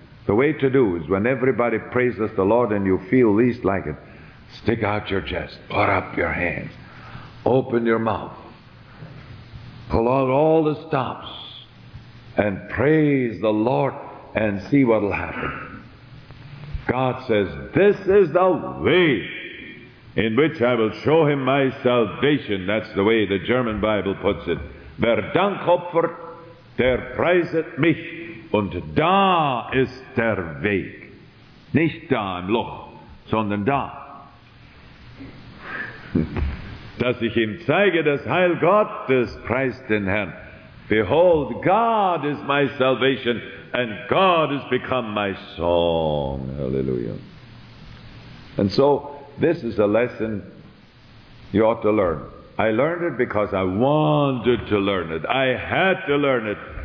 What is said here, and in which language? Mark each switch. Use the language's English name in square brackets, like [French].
[English] The way to do is when everybody praises the Lord and you feel least like it, stick out your chest, put up your hands, open your mouth, pull out all the stops, and praise the Lord and see what will happen. God says, this is the way in which I will show him my salvation. That's the way the German Bible puts it. [German] Wer Dank opfert, der preiset mich. Und da ist der Weg. Nicht da im Loch, sondern da. Dass ich ihm zeige, das Heil Gottes preist den Herrn. [English] Behold, God is my salvation, and God has become my song. Hallelujah. And so, this is a lesson you ought to learn. I learned it because I wanted to learn it. I had to learn it.